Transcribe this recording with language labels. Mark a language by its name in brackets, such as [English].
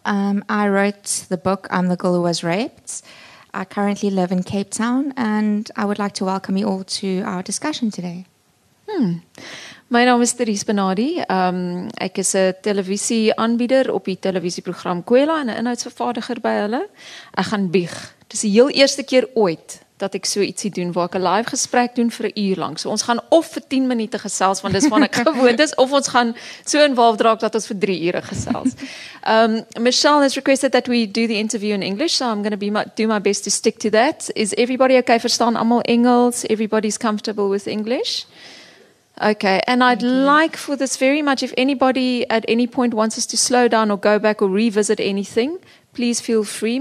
[English] I wrote the book I'm the Girl Who Was Raped. I currently live in Cape Town and I would like to welcome you all to our discussion today. [Afrikaans] My naam is Therese Benadi. Ek is 'n televisieaanbieder op die televisieprogram Kwela en 'n inhoudsvervaardiger by hulle. Ek gaan bieg. Dit is die heel eerste keer ooit dat ek so ietsie doen waar ek 'n live gesprek doen vir 'n uur lank. So ons gaan of vir 10 minute gesels, want dis van ek gewoond is, of ons gaan so involved raak dat ons vir 3 ure gesels. [English] Michelle has requested that we do the interview in English, so I'm going to do my best to stick to that. Is everybody okay? [Afrikaans] Verstaan almal Engels? [English] Everybody's comfortable with English? Okay, and I'd like for this very much, if anybody at any point wants us to slow down or go back or revisit anything, please feel free.